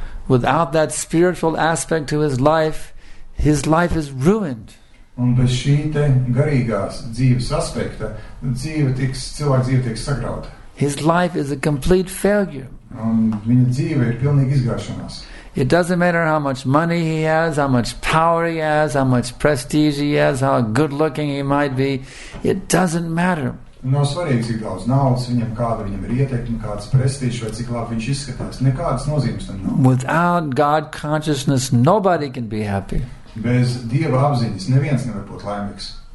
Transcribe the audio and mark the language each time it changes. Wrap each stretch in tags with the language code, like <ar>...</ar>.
<en>Without that spiritual aspect to his life is ruined.</en> <lv>Un bez šī te garīgās dzīves aspekta, cilvēka dzīve tiks sagrauta.</lv> <en>His life is a complete failure.</en> <lv>Un viņa dzīve ir pilnīgi izgāšanās.</lv> <en>It doesn't matter how much money he has, how much power he has, how much prestige he has, how good looking he might be. It doesn't matter.</en> <lv>Nav svarīgi, cik daudz naudas viņam, kāda viņam ir ietekme, kāds prestīžs vai cik labi viņš izskatās. Nekādas nozīmes tam nav.</lv> <en>Without God consciousness, nobody can be happy.</en> <lv>Bez Dieva apziņas neviens nevar būt laimīgs.</lv>